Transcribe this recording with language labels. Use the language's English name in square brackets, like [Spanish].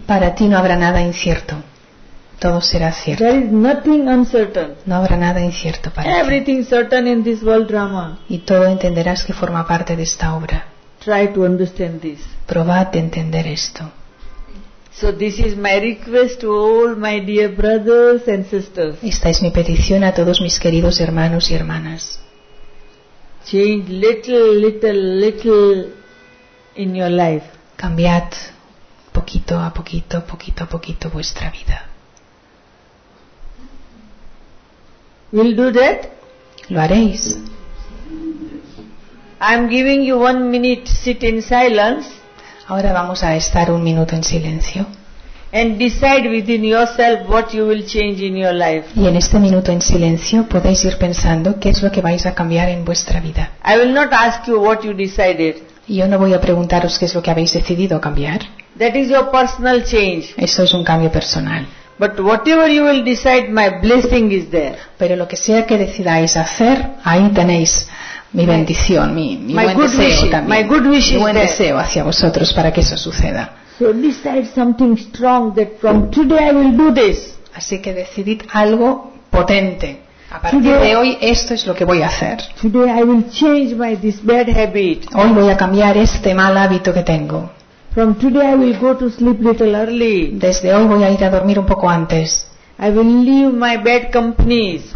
[Spanish] Para ti no habrá nada incierto, todo será cierto. [English] There is nothing uncertain. [Spanish] No habrá nada incierto para [English] everything [Spanish] ti. [English] Everything certain in this world drama. [Spanish] Y todo entenderás que forma parte de esta obra. [English] Try to understand this. [Spanish] Probad a entender esto. [English] So this is my request to all my dear brothers and sisters. [Spanish] Esta es mi petición a todos mis queridos hermanos y hermanas. [English] Change little, little, little in your life. [Spanish] Cambiad poquito a poquito, poquito a poquito vuestra vida. [English] Will do that? [Spanish] Lo haréis. [English] I'm giving you 1 minute sit in silence. [Spanish] Ahora vamos a estar un minuto en silencio. [English] And decide within yourself what you will change in your life. [Spanish] Y en este minuto en silencio podéis ir pensando qué es lo que vais a cambiar en vuestra vida. [English] I will not ask you what you decided. [Spanish] Yo no voy a preguntaros qué es lo que habéis decidido cambiar. [English] That is your personal change. [Spanish] Eso es un cambio personal. [English] But whatever you will decide, my blessing is there. [Spanish] Pero lo que sea que decidáis hacer, ahí tenéis mi bendición, mi buen deseo hacia vosotros para que eso suceda. [English] So decide something strong that from today I will do this. [Spanish] Así que decidid algo potente. A partir [English] today, [Spanish] de hoy esto es lo que voy a hacer. [English] Today I will change my this bad habit. [Spanish] Hoy voy a cambiar este mal hábito que tengo. [English] From today I will go to sleep little early. [Spanish] Desde hoy voy a ir a dormir un poco antes. [English] I will leave my bad companies.